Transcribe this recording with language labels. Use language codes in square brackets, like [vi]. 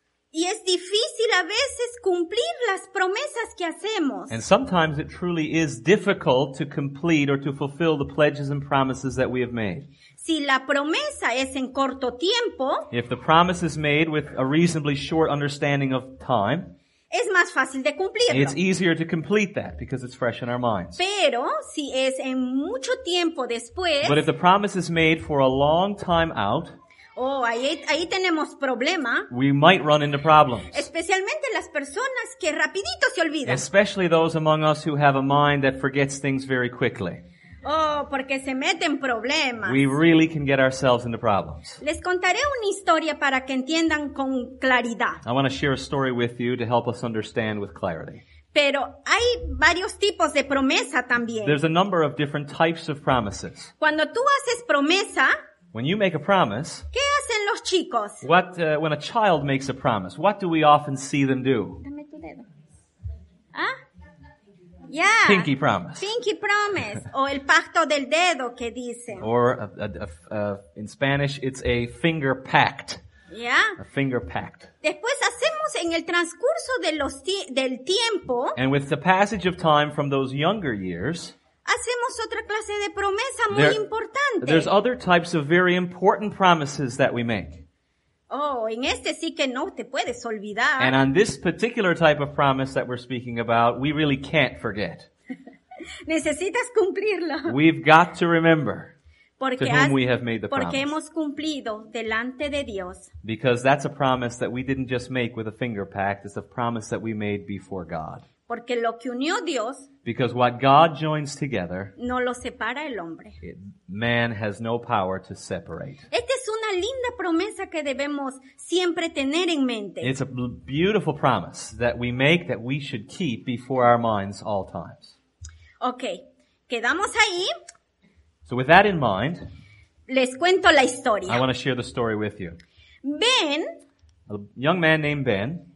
[es] Y es difícil a veces cumplir las promesas que hacemos. [en] And sometimes it truly is difficult to complete or to fulfill the pledges and promises that we have made. [es] Si la promesa es en corto tiempo, [en] if the promise is made with a reasonably short understanding of time, [es] es más fácil de cumplirlo. [en] It's easier to complete that because it's fresh in our minds. [es] Pero si es en mucho tiempo después, [en] but if the promise is made for a long time out, [es] oh, ahí tenemos problema. [en] We might run into problems. [es] Especialmente las personas que rapidito se olvidan. [en] Especially those among us who have a mind that forgets things very quickly. [es] Oh, porque se meten problemas. [en] We really can get ourselves into problems. [es] Les contaré una historia para que entiendan con claridad. [en] I want to share a story with you to help us understand with clarity. [es] Pero hay varios tipos de promesa también. [en] There's a number of different types of promises. [es] Cuando tú haces promesa, [en] when you make a promise, [es] ¿qué hacen los chicos? [en] What when a child makes a promise, what do we often see them do? [es] Dame tu dedo. ¿Ah? Yeah. [en] Pinky promise. Pinky promise. [es] O el pacto del dedo que dicen. [en] Or in Spanish, it's a finger pact. Yeah. A finger pact. [es] Después hacemos en el transcurso de los del tiempo, [en] and with the passage of time from those younger years, [es] hacemos otra clase de promesa muy importante. [en] There's other types of very important promises that we make. [es] Oh, en este sí que no te puedes olvidar. [en] And on this particular type of promise that we're speaking about, we really can't forget. [es] Necesitas cumplirlo. [en] We've got to remember [es] porque [en] to whom we have made the [es] porque [en] promise. [es] Hemos cumplido delante de Dios. [en] Because that's a promise that we didn't just make with a finger pact. It's a promise that we made before God. [es] Porque lo que unió Dios, [en] because what God joins together, [es] no lo separa el hombre. [en] Man has no power to separate. [es] Esta es una linda promesa que debemos siempre tener en mente. [en] It's a beautiful promise that we make, that we should keep before our minds all times. [es] Okay, quedamos ahí. [en] So with that in mind, [es] les cuento la historia. [en] I want to share the story with you. [es] Ben, [en] a young man named Ben.